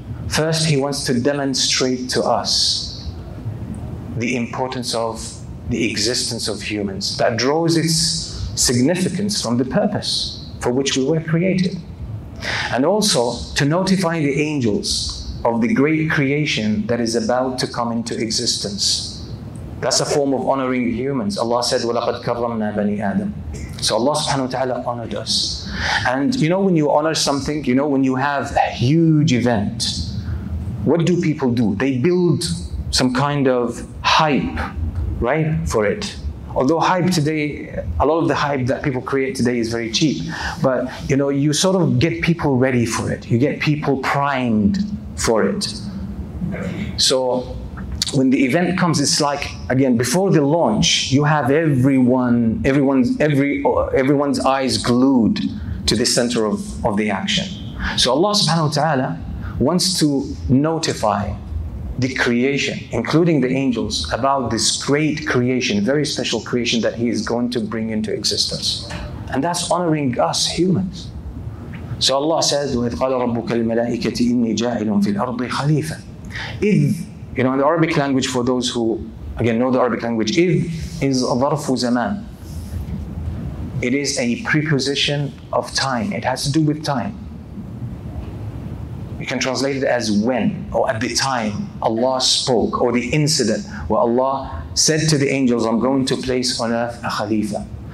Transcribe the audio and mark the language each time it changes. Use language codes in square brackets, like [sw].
[en] First, He wants to demonstrate to us the importance of the existence of humans, that draws its significance from the purpose for which we were created. And also to notify the angels of the great creation that is about to come into existence. That's a form of honoring humans. Allah said, [ar] وَلَقَدْ كَرَّمْنَا بَنِي آدَمَ. [en] So Allah subhanahu wa ta'ala honored us. And you know when you honor something, you know when you have a huge event, what do people do? They build some kind of hype, right, for it. Although hype today, a lot of the hype that people create today is very cheap. But you know, you sort of get people ready for it. You get people primed for it. So when the event comes, it's like, again, before the launch, you have everyone's eyes glued to the center of the action. So Allah subhanahu wa ta'ala wants to notify the creation, including the angels, about this great creation, very special creation that He is going to bring into existence. And that's honoring us humans. So Allah says, [ar] وَإِذْ قَالَ رَبُّكَ الْمَلَائِكَةِ إِنِّي جَاعِلٌ فِي الْأَرْضِ خَلِيفًا. [en] إِذْ, you know, in the Arabic language, for those who, again, know the Arabic language, إِذْ is ظَرْفُ زَمَانٍ. It is a preposition of time. It has to do with time. You can translate it as when, or at the time Allah spoke, or the incident where Allah said to the angels, I'm going to place on earth a khalifa.